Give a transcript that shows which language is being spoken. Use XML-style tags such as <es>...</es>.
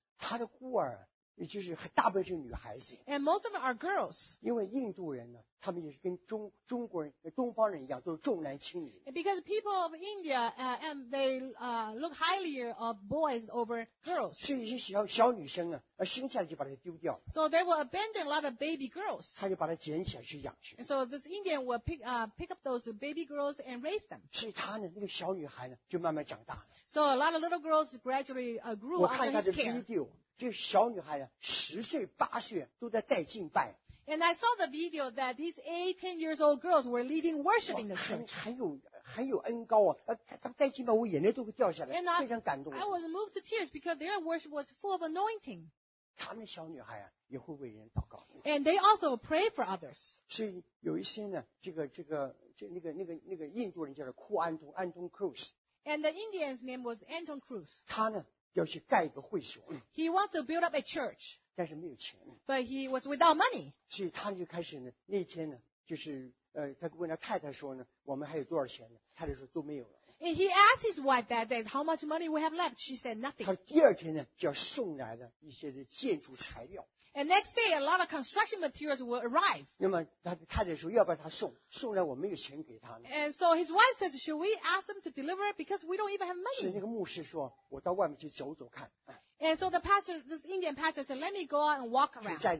<zh>他的孤儿， 也就是大部分是女孩子。</zh> <en>And most of them are girls.</en> <zh>因为印度人呢， 他们也是跟中国人、东方人一样， 都是重男轻女。</zh> <en>And because people of India, and they look highly of boys over girls.</en> <zh>是一些小女生啊， 生下来就把她丢掉。</zh> <en>So they will abandon a lot of baby girls.</en> <zh>他就把她捡起来去养去。</zh> <en>And so this Indian will pick up those baby girls and raise them.</en> <zh>是他呢， 那个小女孩呢， 就慢慢长大了。</zh> <en>So a lot of little girls gradually grew under his care.</en> <zh>我看她的video， 这小女孩啊， 10岁、8岁都在带敬拜。</zh> <en>And I saw the video that these 8-10 years old girls were leading worship in the church.</en> <zh>很有恩高啊， 他们带敬拜， 我眼泪都会掉下来， 非常感动。</zh> <en>I was moved to tears because their worship was full of anointing.</en> <zh>他们小女孩啊， 也会为人祷告。</zh> <en>And they also pray for others.</en> <zh>所以有一些呢， 那个印度人叫做库安东， Anton Cruz.</zh> <en>And the Indian's name was Anton Cruz.</en> <zh>他呢， 要去盖一个会所。</zh> <en>He wants to build up a church.</en> <zh>但是没有钱。</zh> <en>But he was without money.</en> <zh>所以他就开始呢， 那天呢， 他问他太太说呢， 我们还有多少钱呢？太太说都没有了。</zh> <en>And he asked his wife that day, how much money we have left? She said nothing.</en> <zh>他第二天呢， 就要送来了一些的建筑材料。</zh> <en>And next day, a lot of construction materials will arrive.</en> <zh>那么他太太说， 要不然他送， 送来我没有钱给他呢。</zh> <en>And so his wife says, should we ask them to deliver it? Because we don't even have money.</en> <zh>是那个牧师说， 我到外面去走走看。</zh> <en>And so the pastor, this Indian pastor said, let me go out and walk around.</en>